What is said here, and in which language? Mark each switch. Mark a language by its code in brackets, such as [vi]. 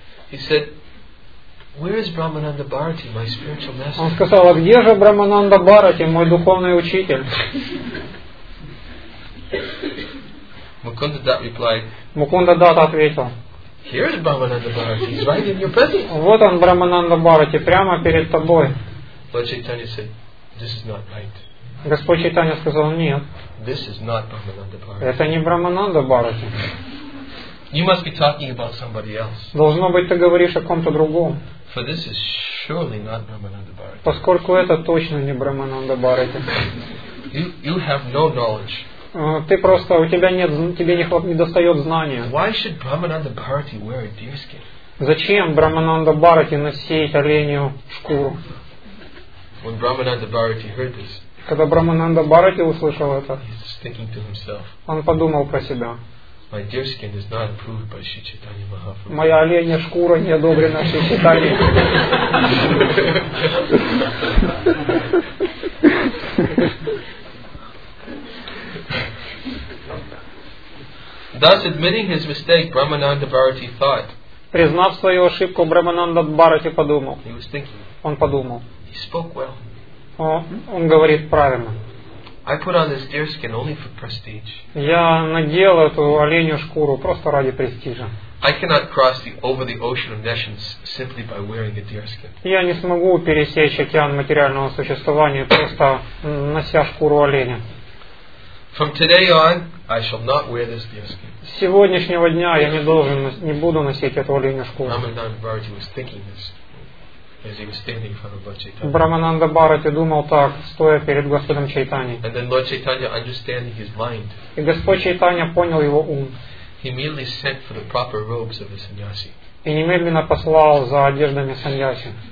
[en] He said, "Where is Brahmananda Bharati, my spiritual master?" [ru] Он сказал, а где же Брамананда Бхарати, мой духовный учитель? [en] Mukunda Datta replied. [ru] Mukunda Datta ответил. [en] Here is Brahmananda Bharati. He's right in your presence. [ru] Вот он, Брамананда Бхарати, прямо перед тобой. [en] Lord Chaitanya said, "This is not right." [ru] Господь Чайтанья сказал, нет. [en] This is not Brahmananda Bharati. [ru] Это не Брамананда Бхарати. [en] You must be talking about somebody else. [ru] Должно быть, ты говоришь о ком-то другом. [en] For this is surely not Brahmananda Bharati. [ru] Поскольку это точно не Брахмананда Бхарати. [en] You have no knowledge. [ru] Ты просто у тебя нет, тебе не достает знания. [en] Why should Brahmananda Bharati wear a deer skin? [ru] Зачем Брахмананда Бхарати носить оленью шкуру? [en] When Brahmananda Bharati heard this. [ru] Когда Брахмананда Бхарати услышал это, [en] he's thinking to himself. [ru] Он подумал про себя. [en] My deer skin is not approved by Sri Chaitanya Mahaprabhu. [ru] Моя оленья шкура не одобрена Шри Чайтанья. [en] Thus, admitting his mistake, Brahmananda Bharati thought. [ru] Признав свою ошибку, Брахмананда Бхарати подумал. [en] He was thinking. [ru] Он подумал. [en] He spoke well. [ru] Он говорит правильно. [en] I put on this deer skin only for prestige. [ru] Я надел эту оленью шкуру просто ради престижа. [en] I cannot cross over the ocean of nations simply by wearing a deer skin. [ru] Я не смогу пересечь океан материального существования просто нося шкуру оленя. [en] From today on, I shall not wear this deer skin. [ru] С сегодняшнего дня я не буду носить эту оленью шкуру. [en] Brahmananda Bharati was thinking this. As he was standing in front of Lord Chaitanya. [ru] Брахмананда Бхарати думал так, стоя перед Господом Чайтаньей. [en] And then Lord Chaitanya, understanding his mind. [ru] И Господь Чайтанья понял его ум. [en] He immediately sent for the proper robes of the sannyasi. [ru] И немедленно послал за одеждами сандьяси.